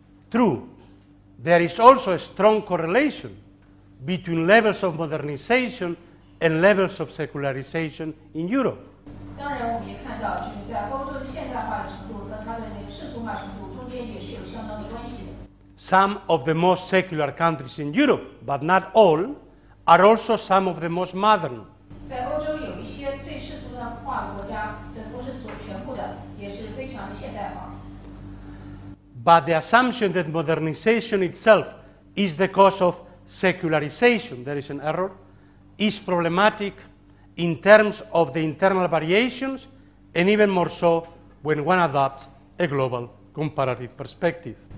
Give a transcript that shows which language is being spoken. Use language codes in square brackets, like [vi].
[en] There is also a strong correlation between levels of modernization and levels of secularization in Europe. [zh] 当然我们也看到,就是在欧洲的现代化程度和它的那个世俗化程度中间也是有相当的关系的。 [en] Some of the most secular countries in Europe, but not all, are also some of the most modern. [zh] 在欧洲有一些最世俗化的国家,但不是所全部的,也是非常现代化。 [en] But the assumption that modernization itself is the cause of secularization, there is an error, is problematic in terms of the internal variations, and even more so when one adopts a global comparative perspective.